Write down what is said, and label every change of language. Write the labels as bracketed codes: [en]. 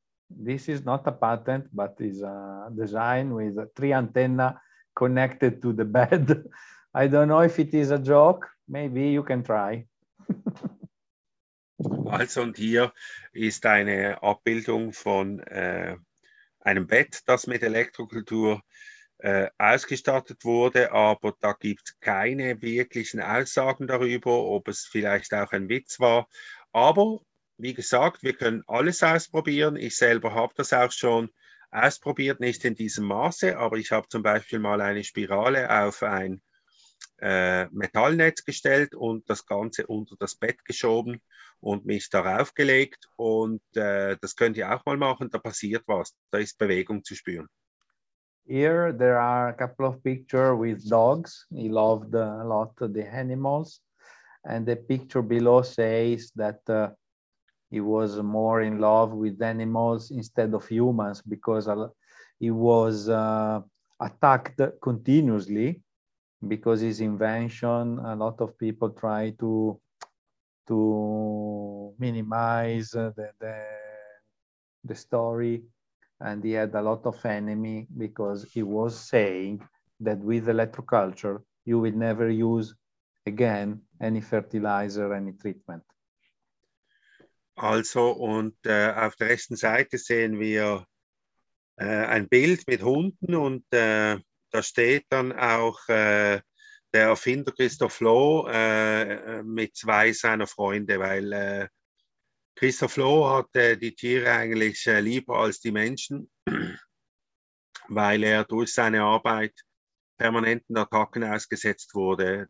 [en] This is not a patent, but is a design with three antenna connected to the bed. I don't know if it is a joke. Maybe you can try. [de] Also, und hier ist eine Abbildung von einem Bett, das mit Elektrokultur ausgestattet wurde, aber da gibt es keine wirklichen Aussagen darüber, ob es vielleicht auch ein Witz war. Aber wie gesagt, wir können alles ausprobieren. Ich selber habe das auch schon ausprobiert, nicht in diesem Maße, aber ich habe zum Beispiel mal eine Spirale auf ein Metallnetz gestellt und das Ganze unter das Bett geschoben und mich darauf gelegt. Und das könnt ihr auch mal machen, da passiert was, da ist Bewegung zu spüren. [en] Here there are a couple of pictures with dogs. He loved a lot of the animals. And the picture below says that he was more in love with animals instead of humans because he was attacked continuously because his invention, a lot of people try to minimize the story. And he had a lot of enemy because he was saying that with electroculture, you will never use again any fertilizer, any treatment. [de] Also, und auf der rechten Seite sehen wir ein Bild mit Hunden und da steht dann auch der Erfinder Christoph Loh mit zwei seiner Freunde, weil Christoph Loh hat die Tiere eigentlich lieber als die Menschen, weil er durch seine Arbeit permanenten Attacken ausgesetzt wurde.